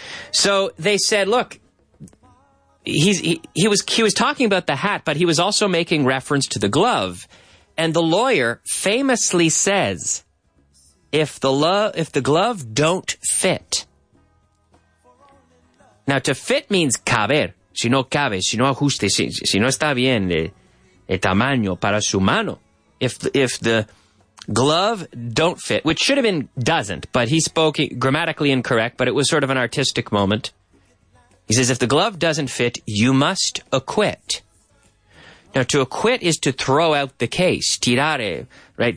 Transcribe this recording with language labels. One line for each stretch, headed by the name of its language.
English: So they said, look, he was talking about the hat, but he was also making reference to the glove. And the lawyer famously says, if the glove don't fit. Now, to fit means caber.
Spanish: Si no cabe, si no ajuste, si no está bien el tamaño para su mano.
English: If the glove don't fit, which should have been doesn't, but he spoke grammatically incorrect, but it was sort of an artistic moment. He says, if the glove doesn't fit, you must acquit. Now, to acquit is to throw out the case, tirare, right?